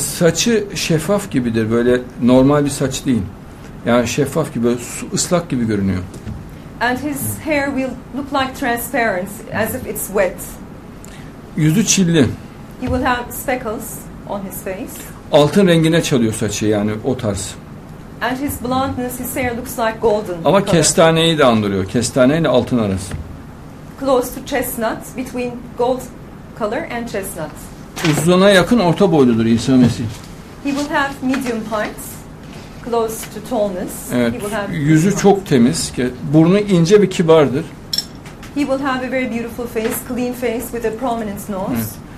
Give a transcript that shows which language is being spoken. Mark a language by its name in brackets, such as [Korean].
[Turkish] Saçı şeffaf gibidir, böyle normal bir saç değil. Yani şeffaf gibi, ıslak gibi görünüyor. [English] And his hair will look like transparent, as if it's wet. [Turkish] Yüzü çilli. [English] He will have speckles on his face. [Turkish] Altın rengine çalıyor saçı, yani o tarz. [English] And his blondness, his hair looks like golden. [Turkish] Ama kestaneyi de andırıyor, kestane ile altın arası. [English] Close to chestnut, between gold color and chestnut. [Turkish] Uzuna yakın orta boyludur İsa Mesih. [English] He will have medium height, close to tallness. [Turkish] Evet. [English] He will have [Turkish] yüzü çok temiz, burnu ince ve kibardır. [English] He will have a very beautiful face, clean face with a prominent nose. [Turkish] Evet.